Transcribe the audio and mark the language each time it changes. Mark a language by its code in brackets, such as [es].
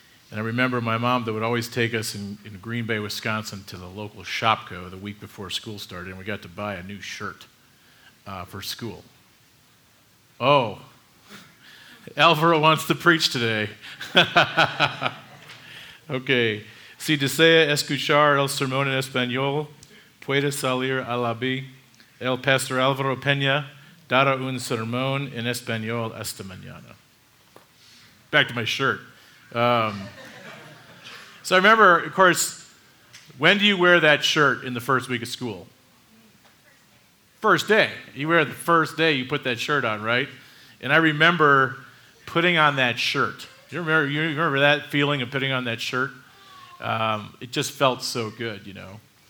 [en] And I remember my mom that would always take us in Green Bay, Wisconsin to the local Shopko the week before school started, and we got to buy a new shirt for school. Oh, Alvaro wants to preach today. Okay. [es] Si desea escuchar el sermón en español, puede salir a la vía. El pastor Alvaro Peña dará un sermón en español esta mañana. [en] Back to my shirt. So I remember, of course, when do you wear that shirt in the first week of school? First day. You wear it the first day you put that shirt on, right? And I remember putting on that shirt. You remember that feeling of putting on that shirt? It just felt so good, you know.